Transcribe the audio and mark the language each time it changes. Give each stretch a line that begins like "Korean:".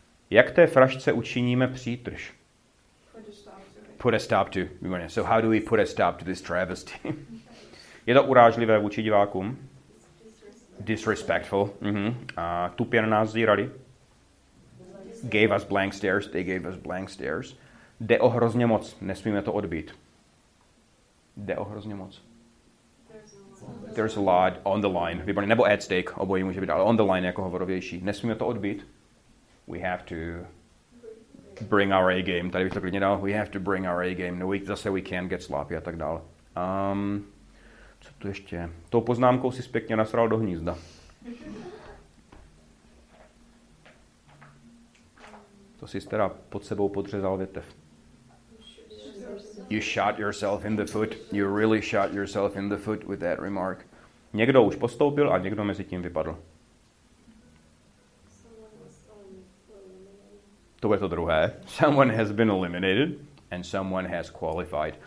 Czech: Jak té frašce učiníme přítrž?
English: Put a stop to. So how do we put a stop to this travesty?
Czech: Je to urážlivé vůči divákům?
English: Disrespectful. Mm-hmm. Tupě na nás zírali. Gave us blank stares.
Czech: They gave us blank stares. Jde o hrozně moc. Nesmíme to odbít. Jde o hrozně moc.
English: There's a lot on the line. Výborně. Nebo at stake.
Czech: Obojí může být, ale on the line jako hovorovější. Nesmíme to odbít. We have to bring our A game.
English: Tady bych to klidně dal. We have to bring our A game. No, we can't get sloppy a tak dál. Co tu ještě?
Czech: Tou poznámkou si pěkně nasral do hnízda. To jsi teda pod sebou podřezal větev.
English: You shot yourself in the foot. You really shot yourself in the foot with that remark.
Czech: Někdo už postoupil a někdo mezi tím vypadl. To je to druhé.
English: Someone has been eliminated and someone has qualified.